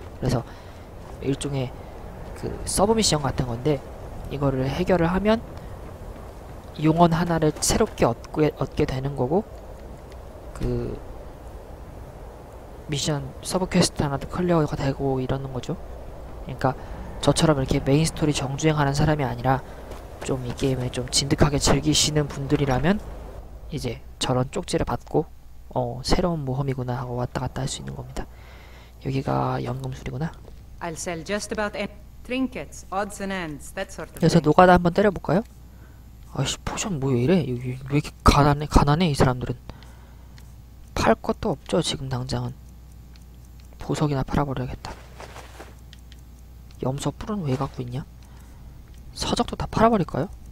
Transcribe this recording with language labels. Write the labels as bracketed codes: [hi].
[ko] 그래서 일종의 그 서브미션 같은 건데 이거를 해결을 하면 용언 하나를 새롭게 얻게 되는 거고 그 미션 서브퀘스트 하나도 클리어가 되고 이러는 거죠. 그러니까 저처럼 이렇게 메인스토리 정주행하는 사람이 아니라 좀 이 게임을 좀 진득하게 즐기시는 분들이라면 이제 저런 쪽지를 받고 어 새로운 모험이구나 하고 왔다 갔다 할 수 있는 겁니다. 여기가 연금술이구나. [en] I'll sell just about any trinkets, odds and ends, that sort of thing. [ko] 여기서 노가다 한번 때려볼까요? 아이씨 포션 뭐 이래? 여기 왜 이렇게 가난해 이 사람들은. 팔 것도 없죠 지금 당장은. 보석이나 팔아버려야겠다. 염소 뿔은 왜 갖고 있냐? 서적도 다 팔아버릴까요?